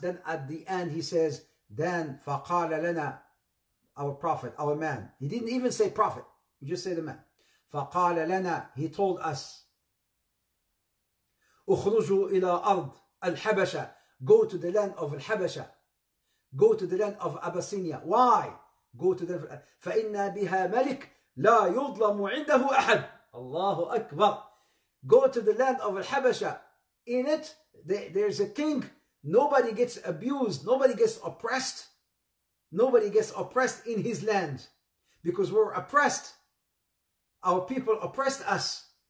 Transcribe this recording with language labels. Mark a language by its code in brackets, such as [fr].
[en] Then at the end, he says, then فَقَالَ لَنَا, our prophet, our man. He didn't even say prophet. He just said the man. فَقَالَ لَنَا, he told us, أُخْرُجُوا إِلَىٰ أَرْضِ الْحَبَشَةِ, go to the land of الْحَبَشَةِ, go to the land of Abyssinia. Why? [ar] Go to the فَإِنَّا بِهَا مَلِكْ لَا يُضْلَمُ عِنْدَهُ أَحَدْ. Allahu Akbar. [en] Go to the land of الْحَبَشَةِ. In it, there's a king. Nobody gets abused. Nobody gets oppressed. Nobody gets oppressed in his land. Because we're oppressed. Our people oppressed us.